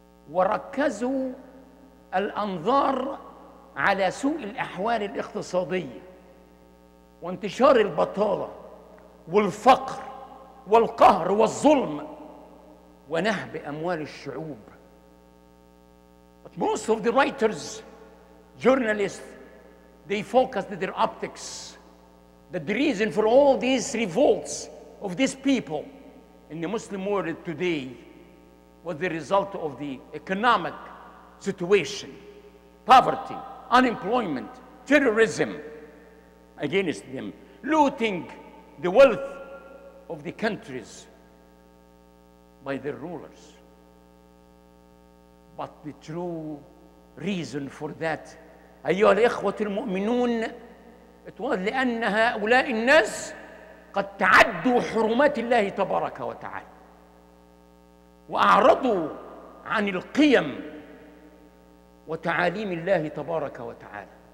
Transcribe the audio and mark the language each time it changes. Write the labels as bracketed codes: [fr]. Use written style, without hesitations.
[ar] وركزوا الأنظار على سوء الأحوال الاقتصادية وانتشار البطالة والفقر والقهر والظلم ونهب أموال الشعوب. [en] But most of the writers, journalists, they focused their optics that the reason for all these revolts of these people in the Muslim world today was the result of the economic situation, poverty, unemployment, terrorism against them, looting the wealth of the countries by their rulers. But the true reason for that, [ar] أيها الإخوة المؤمنون, [en] it was [ar] لأن هؤلاء الناس قد تعدوا حرمات الله تبارك وتعالى وأعرضوا عن القيم وتعاليم الله تبارك وتعالى